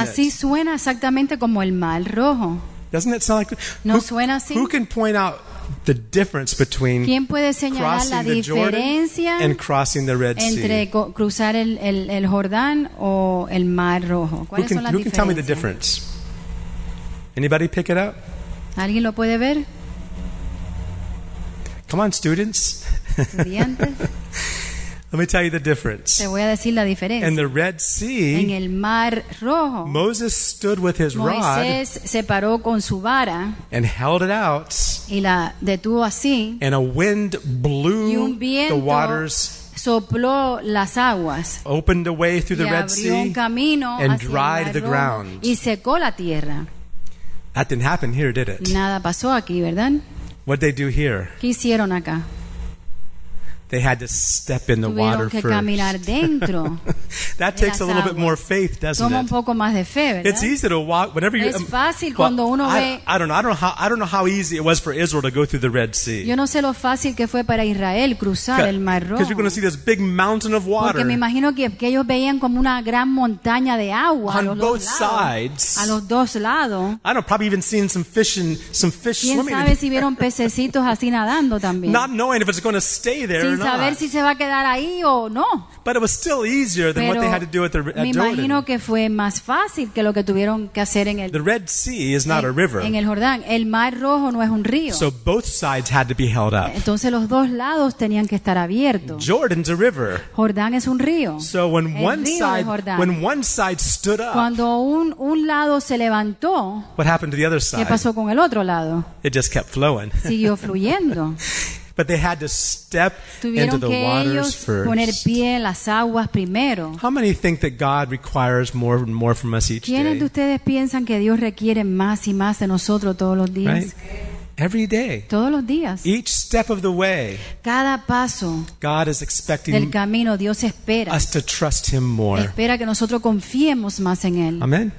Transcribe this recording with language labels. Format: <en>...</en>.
<es>it? Así suena exactamente como el Mar Rojo.</es> <en>Doesn't it sound like,</en> <es>no suena así?</es> <en>Who can point out the difference between crossing the Red Sea?</en> <es>Entre cruzar el Jordán o el Mar Rojo.</es> <en>Who can, tell me the difference? Anybody pick it up?</en> <es>¿Alguien lo puede ver?</es> <en>Come on, students. Let me tell you the difference.</en> <es>Te voy a decir la diferencia.</es> <en>In the Red Sea,</en> <es>en el Mar Rojo,</es> <en>Moses stood with his</en> <es>Moisés</es> <en>rod,</en> <es>se paró con su vara,</es> <en>and held it out,</en> <es>y la detuvo así,</es> <en>and a wind blew</en> <es>y un viento</es> <en>the waters,</en> <es>sopló las aguas,</es> <en>opened a way through the Red Sea,</en> <es>un camino</es> <en>and</en> <es>hacia</es> <en>dried</en> <es>el Mar</es> <en>the ground.</en> <es>Y secó la tierra.</es> <en>That didn't happen here, did it?</en> <es>Nada pasó aquí, ¿verdad?</es> <en>What'd they do here?</en> <es>¿Qué hicieron acá?</es> <en>They had to step in the water first.</en> <es>Caminar dentro.</es> <en>That takes a little bit more faith, doesn't it?</en> <es>Toma un poco más de fe, ¿verdad?</es> <en>It's easy to walk whenever you.</en> <es>Es fácil cuando uno ve.</es> <en>I don't know how easy it was for Israel to go through the Red Sea.</en> <es>Yo no sé lo fácil que fue para Israel cruzar el Mar Rojo.</es> <en>Because you're going to see this big mountain of water.</en> <es>Porque me imagino que ellos veían como una gran montaña de agua</es> <en>on both sides.</en> <es>A los dos lados.</es> <en>I don't know, probably even seen some fish swimming.</en> <es>¿Quién sabe si vieron pececitos así nadando también?</es> <en>Not knowing if it's going to stay there.</en> <es>Sin saber si se va a quedar ahí o no.</es> <en>But it was still easier than</en> <es>Pero</es> <en>what they had to do at the Jordan.</en> <es>Me imagino que fue más fácil que lo que tuvieron que hacer en el.</es> <en>The Red Sea is not a river.</en> <es>En el Jordán, el Mar Rojo no es un río.</es> <en>So both sides had to be held up.</en> <es>Entonces los dos lados tenían que estar abiertos.</es> <en>Jordan's a river.</en> <es>Jordán es un río.</es> <en>So when</en> <es>el</es> <en>one</en> <es>río</es> <en>side</en> <es>Jordán,</es> <en>when one side stood up.</en> <es>Cuando un lado se levantó.</es> <en>What happened to the other side?</en> <es>¿Qué pasó con el otro lado?</es> <en>It just kept flowing.</en> <es>Siguió fluyendo.</es> <en>But they had to step</en> <es>Tuvieron</es> <en>into the</en> <es>que</es> <en>waters</en> <es>ellos</es> <en>first.</en> <es>Poner pie en las aguas primero.</es> <en>How many think that God requires more and more from us each day?</en> <es>¿Quiénes de ustedes piensan que Dios requiere más y más de nosotros todos los días?</es> <en>Right? Every day.</en> <es>Todos los días.</es> <en>Each step of the way.</en> <es>Cada paso.</es> <en>God is expecting</en> <es>del camino, Dios espera</es> <en>us to trust Him more.</en> <es>Espera que nosotros confiemos más en Él.</es> <en>Amen.</en>